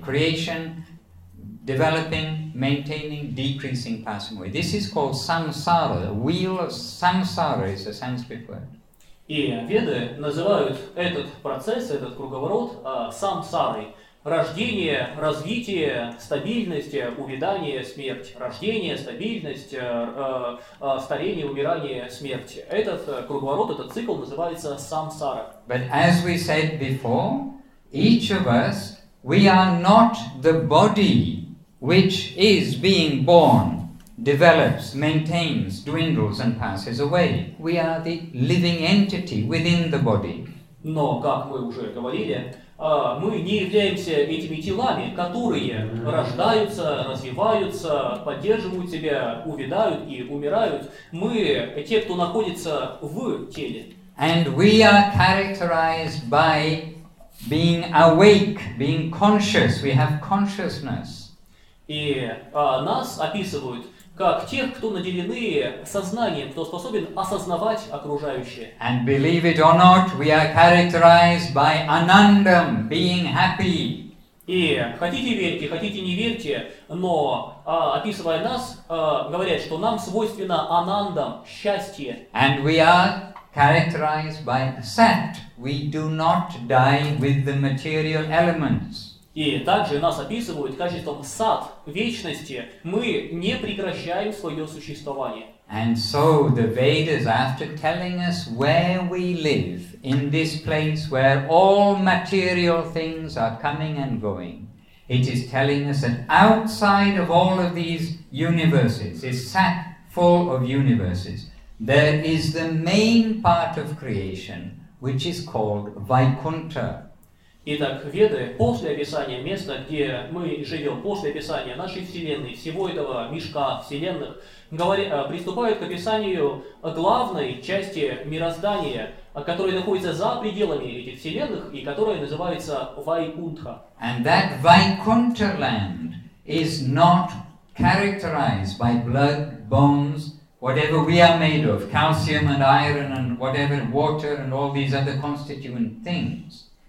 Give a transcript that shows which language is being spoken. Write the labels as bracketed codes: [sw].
[en] Creation, developing, maintaining, decreasing, passing away. This is called samsara, the wheel of samsara is a Sanskrit word. [ru] И Веды называют этот процесс, этот круговорот самсарой. Рождение, развитие, стабильность, увядание, смерть. Рождение, стабильность, старение, умирание, смерть. Этот круговорот, этот цикл называется самсара. [en] But as we said before, each of us, we are not the body which is being born, develops, maintains, dwindles and passes away. We are the living entity within the body. [ru] Но, как мы уже говорили, мы не являемся этими телами, которые рождаются, развиваются, поддерживают себя, увядают и умирают. Мы те, кто находится в теле. [en] And we are characterized by being awake, being conscious. We have consciousness. [ru] И нас описывают как тех, кто наделены сознанием, кто способен осознавать окружающее. [en] And believe it or not, we are characterized by anandam, being happy. [ru] И хотите верьте, хотите не верьте, но описывая нас, говорят, что нам свойственно анандам, счастье. [en] And we are characterized by sat, we do not die with the material elements. [ru] И также нас описывают качеством сад вечности. Мы не прекращаем свое существование. [en] And so the Vedas, after telling us where we live in this place where all material things are coming and going, it is telling us that outside of all of these universes, this sat full of universes, there is the main part of creation, which is called Vaikuntha. [ru] Итак, Веды, после описания места, где мы живем, после описания нашей Вселенной, всего этого мешка Вселенных, приступают к описанию главной части мироздания, которая находится за пределами этих Вселенных и которая называется Вайкунтха. [en] And that Vaikuntha land is not characterized by blood, bones, whatever we are made of, calcium and iron and whatever, water and all these other constituent things.